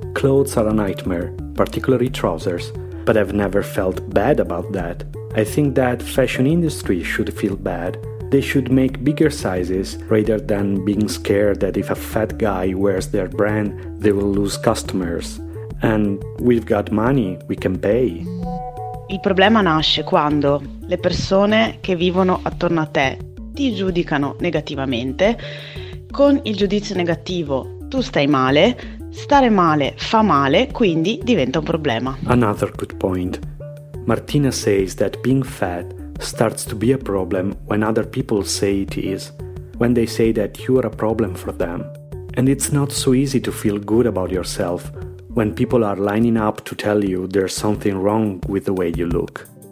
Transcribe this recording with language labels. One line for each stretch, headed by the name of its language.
English: Clothes are a nightmare, particularly trousers, but I've never felt bad about that. I think that fashion industry should feel bad. They should make bigger sizes rather than being scared that if a fat guy wears their brand, they will lose customers. And we've got money, we can pay.
Italian: Il problema nasce quando le persone che vivono attorno a te ti giudicano negativamente. Con il giudizio negativo, tu stai male. Stare male fa male, quindi diventa un problema.
English: Another good point. Martina says that being fat starts to be a problem when other people say it is, when they say that you are a problem for them. And it's not so easy to feel good about yourself when people are lining up to tell you there's something wrong with the way you look.